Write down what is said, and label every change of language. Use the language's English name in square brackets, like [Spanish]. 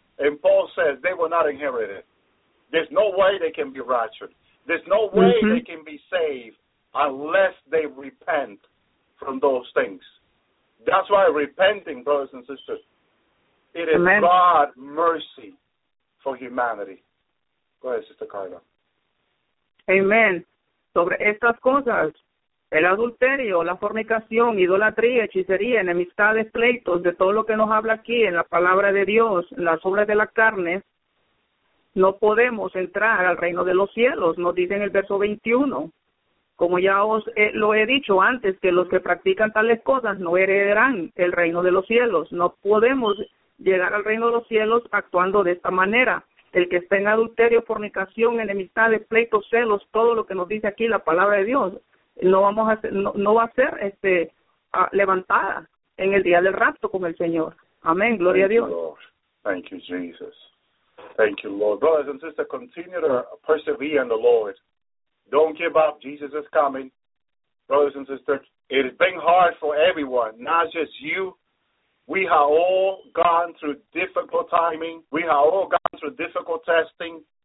[English] And Paul says they will not inherit it. There's no way they can be raptured. There's no way they can be saved unless they repent from those things. That's why repenting, brothers and sisters, it is God's mercy for humanity. Go ahead, Sister Carla. [Spanish] Amén. Sobre estas cosas, el adulterio, la fornicación, idolatría, hechicería, enemistades, pleitos, de todo lo que nos habla aquí en la palabra de Dios, en las obras de la carne, no podemos entrar al reino de los cielos, nos dice en el verso 21. Como ya os lo he dicho antes, que los que practican tales cosas no heredarán el reino de los cielos. No podemos llegar al reino de los cielos actuando de esta manera. El que está en adulterio, fornicación, enemistades, pleitos, celos, todo lo que nos dice aquí la palabra de Dios, no va a ser levantada en el día del rapto con el Señor. Amén. Gloria [English] Thank [Spanish] a Dios. [English] You, Lord. Thank you, Jesus. Thank you, Lord. Brothers and sisters, continue to persevere in the Lord. Don't give up. Jesus is coming. Brothers and sisters, it has been hard for everyone, not just you. We have all gone through difficult timing. We have all gone through difficult testing.